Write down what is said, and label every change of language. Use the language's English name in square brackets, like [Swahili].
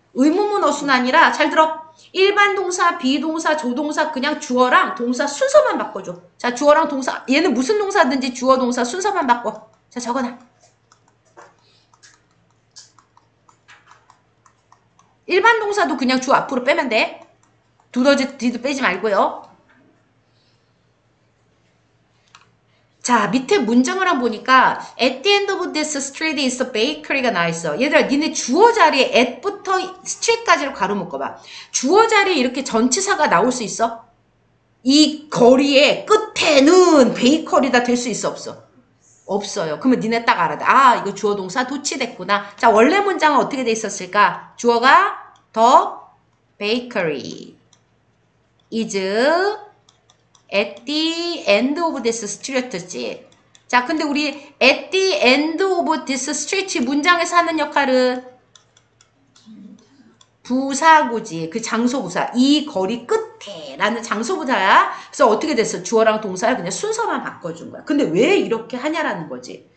[Korean] 의문문 어순 아니라 잘 들어. 일반 동사, 비동사, 조동사 그냥 주어랑 동사 순서만 바꿔줘. 자, 주어랑 동사 얘는 무슨 동사든지 주어, 동사 순서만 바꿔. 자, 적어놔. 일반 동사도 그냥 주 앞으로 빼면 돼. 두더지 뒤도 빼지 말고요. 자, 밑에 문장을 한번 보니까 [English] At the end of this street is a bakery가 [Korean] 나와있어. 얘들아, 니네 주어 자리에 at부터 street까지로 가로 묶어봐. 주어 자리에 이렇게 전치사가 나올 수 있어? 이 거리의 끝에는 베이커리다 될 수 있어? 없어? 없어요. 그러면 니네 딱 알아. 아, 이거 주어 동사 도치됐구나. 자, 원래 문장은 어떻게 돼 있었을까? [English] 주어가 the bakery is at the end of this street지. [Korean] 자, 근데 우리 [English] at the end of this street [Korean] 문장에서 하는 역할은 부사구지. 그 장소부사. 이 거리 끝에 라는 장소부사야. 그래서 어떻게 됐어? 주어랑 동사야. 그냥 순서만 바꿔준 거야. 근데 왜 이렇게 하냐라는 거지.